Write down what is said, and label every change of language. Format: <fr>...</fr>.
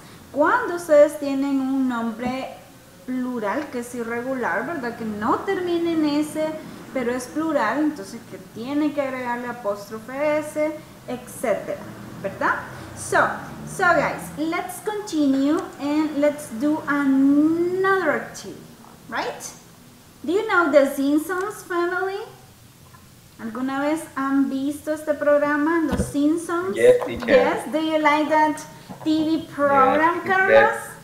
<es>¿Cuándo ustedes tienen un nombre plural que es irregular, ¿verdad? Que no termine en S, pero es plural, entonces que tiene que agregarle apóstrofe S, etcétera, ¿verdad?</es> <en>So guys, let's continue and let's do another activity, right? Do you know the Simpsons family?</en> <es>¿Alguna vez han visto este programa, Los Simpsons?</es> <en>Yes, teacher. Yes, do you like that TV program, yes, Carlos?</en>